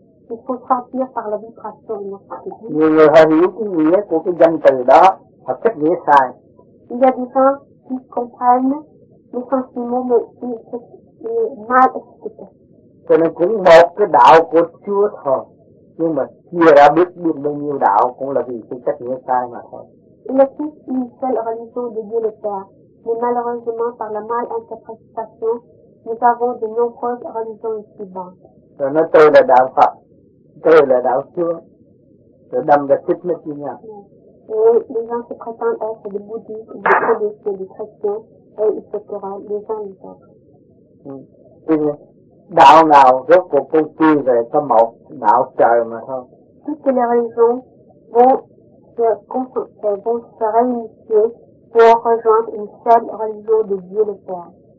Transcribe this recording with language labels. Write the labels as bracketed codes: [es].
[fr] Il faut sentir par la vibration. [vi] Nhiều người họ hiểu cái nghĩa của cái danh từ đó, họ cách nghĩa sai. [fr] Il y a des gens qui comprennent le sens du mot mais il est mal expliqué. [vi] Cho nên cũng một cái đạo của Chúa thôi. Nhưng mà chưa đã biết được bao nhiêu đạo cũng là vì cái cách nghĩa sai mà thôi. [fr] Là tout une seule religion de Dieu le Père. Mais malheureusement, par la mal interprétation, nous avons de nombreuses religions ici bas. [vi] Rồi nói tôi là đạo Phật, tôi là đạo Chúa. Rồi đâm ra thích mất như nhau. [fr] Oui, les gens se prétendent être des bouddhistes, des bouddhistes, des chrétiens, et ils se feront les uns les autres. [vi] Đạo nào rốt cuộc cũng quy về có một đạo trời mà thôi. [fr] Toutes les religions vont se réunir pour rejoindre une seule religion de Dieu le Père.